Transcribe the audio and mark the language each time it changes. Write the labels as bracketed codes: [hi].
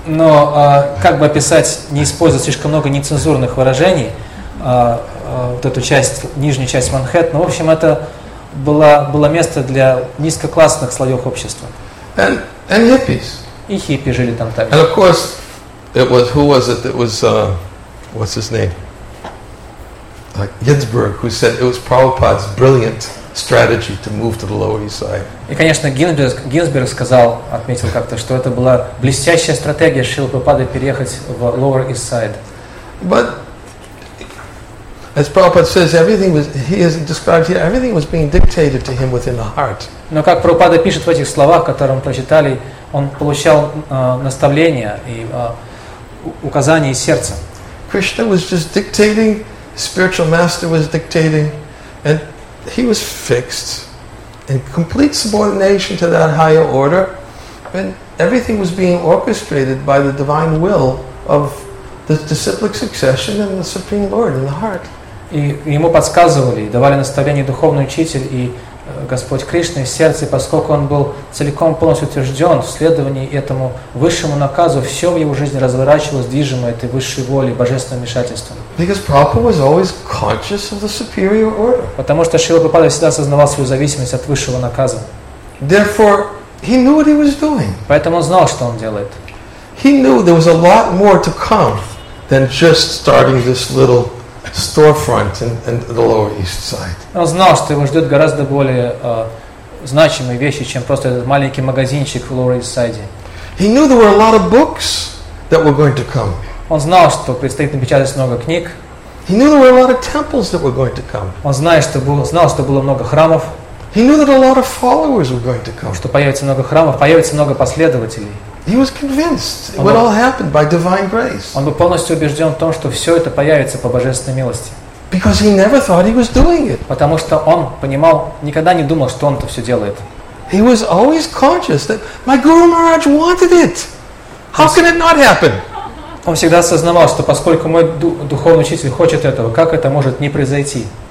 [ru] Но как бы описать, не используя слишком много нецензурных выражений, вот эту часть, нижнюю часть Манхэттена. В общем, это было место для низкоклассных слоев общества. [en] And hippies. [ru] И хиппи жили там также. [en] And of course, it was, who was it that was, what's his name? Гинзбург, who said it was Prabhupada's brilliant strategy to move to the Lower East Side. [ru] И, конечно, Гинзберг сказал, отметил как-то, что это была блестящая стратегия Шрилы Прабхупады переехать в Lower East Side. [en] But as Prabhupada says, everything was, he has described here, everything was being dictated to him within the heart. [ru] Но как Прабхупада пишет в этих словах, которые мы прочитали, он получал наставления и указания из сердца. [en] Krishna was just dictating, spiritual master was dictating, and he was fixed in complete subordination to that higher order, and everything was being orchestrated by the divine will of the disciplic succession and the Supreme Lord in the heart. [ru] И ему подсказывали, давали наставление духовный учитель и Господь Кришна из сердца, поскольку он был целиком полностью утвержден в следовании этому высшему наказу, все в его жизни разворачивалось, движимо этой высшей волей, божественным вмешательством. [en] Because Prabhupada was always conscious of the superior order. [ru] Потому что Шрила Прабхупада всегда осознавал свою зависимость от высшего наказа. [en] Therefore, he knew what he was doing. [ru] Поэтому он знал, что он делает. [en] He knew there was a lot more to come than just starting this little storefront in the Lower East Side. [ru] Он знал, что его ждет гораздо более значимые вещи, чем просто этот маленький магазинчик в Lower East Side. [en] He knew there were a lot of books that were going to come. [ru] Он знал, что предстоит напечатать много книг. [en] He knew there were a lot of temples that were going to come. [ru] Он знал, что было много храмов. [en] He knew that a lot of followers were going to come. [ru] Что появится много храмов, появится много последователей. [en] He was convinced it would all happen by divine grace. [ru] Он был полностью убежден в том, что все это появится по божественной милости. [en] Because he never thought he was doing it. [ru] Потому что он понимал, никогда не думал, что он это все делает. [en] He was always conscious that my Guru Maharaj wanted it. How can it not happen? [ru] Он всегда осознавал, что поскольку мой духовный учитель хочет этого, как это может не произойти?